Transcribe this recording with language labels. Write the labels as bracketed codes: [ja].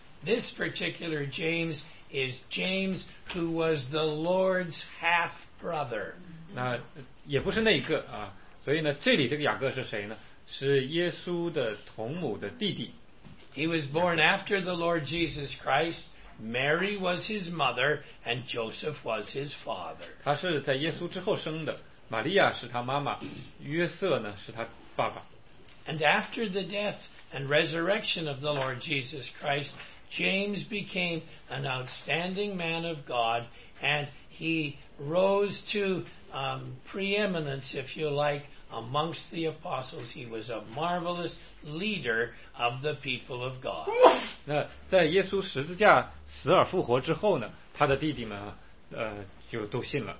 [en] This particular James is James who was the Lord's half-brother. [zh] 那也不是那一个啊，所以呢，这里这个雅各是谁呢？是耶稣的同母的弟弟。 [en] He was born after the Lord Jesus Christ. Mary was his mother, and Joseph was his father. [zh] 他是在耶稣之后生的，玛利亚是他妈妈，约瑟呢是他爸爸。 [en] And after the death and resurrection of the Lord Jesus Christ, James became an outstanding man of God, and he rose to preeminence, if you like, amongst the apostles. He was a marvelous leader of the people of God. [zh] 那在耶稣十字架死而复活之后呢，他的弟弟们啊，就都信了。